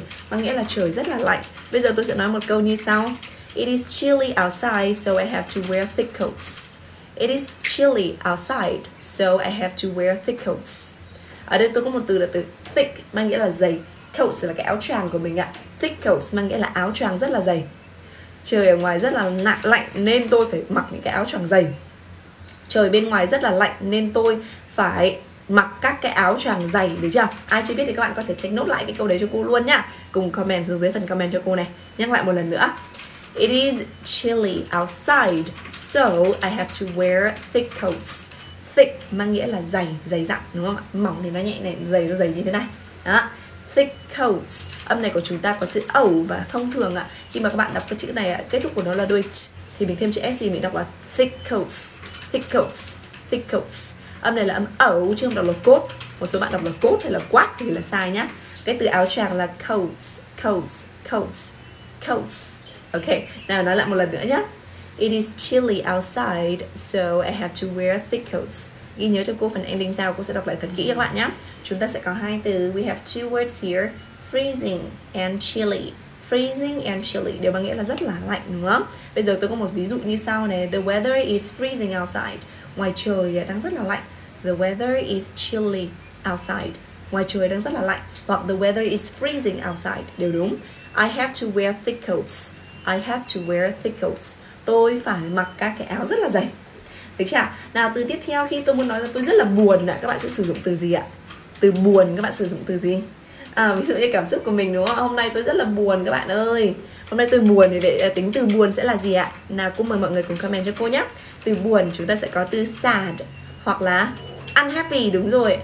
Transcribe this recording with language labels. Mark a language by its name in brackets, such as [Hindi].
[Vietnamese] Mang nghĩa là trời rất là lạnh. Bây giờ tôi sẽ nói một câu như sau. [English] It is chilly outside, so I have to wear thick coats. It is chilly outside, so I have to wear thick coats. [Vietnamese] Ở đây tôi có một từ là từ thick, mang nghĩa là dày. coat là cái áo choàng của mình ạ. Thick coat mang nghĩa là áo choàng rất là dày. Trời ở ngoài rất là lạnh nên tôi phải mặc những cái áo choàng dày. Trời bên ngoài rất là lạnh nên tôi phải mặc các cái áo choàng dày, được chưa? Ai chưa biết thì các bạn có thể check note lại cái câu đấy cho cô luôn nhá. Cùng comment xuống dưới phần comment cho cô này. Nhắc lại một lần nữa. [English] It is chilly outside, so I have to wear thick coats. [Vietnamese] Thick mang nghĩa là dày, dày dặn, đúng không ạ? Mỏng thì nó nhẹ này, dày nó dày như thế này. Đó. Thick coats. Âm này của chúng ta có chữ O và thông thường ạ, khi mà các bạn đọc cái chữ này ạ, kết thúc của nó là đuôi T, thì mình thêm chữ S thì mình đọc là thick coats. Thick coats. Thick coats. Âm này là âm O chứ không đọc là coat. Một số bạn đọc là coat hay là quát thì là sai nhá. Cái từ áo choàng là coats. Coats. Coats. Coats. Ok, nào nói lại một lần nữa nhá. [English] It is chilly outside, so I have to wear thick coats. [Vietnamese] Ghi nhớ cho cô phần ending sao, cô sẽ đọc lại thật kỹ các bạn nhé. Chúng ta sẽ có hai từ. [English] We have two words here. Freezing and chilly. [Vietnamese] Freezing and chilly đều mang nghĩa là rất là lạnh, đúng không? Bây giờ tôi có một ví dụ như sau này. [English] The weather is freezing outside. [Vietnamese] Ngoài trời đang rất là lạnh. [English] The weather is chilly outside. [Vietnamese] Ngoài trời đang rất là lạnh. [English] Hoặc the weather is freezing outside. [Vietnamese] Đều đúng. [English] I have to wear thick coats. I have to wear thick coats. [Vietnamese] Tôi phải mặc các cái áo rất là dày. Được chưa? Nào từ tiếp theo, khi tôi muốn nói là tôi rất là buồn ạ, các bạn sẽ sử dụng từ gì ạ? Từ buồn các bạn sử dụng từ gì? À, ví dụ như cảm xúc của mình đúng không? Hôm nay tôi rất là buồn các bạn ơi. Hôm nay tôi buồn thì vậy tính từ buồn sẽ là gì ạ? Nào cô mời mọi người cùng comment cho cô nhé. Từ buồn chúng ta sẽ có từ sad hoặc là unhappy, đúng rồi.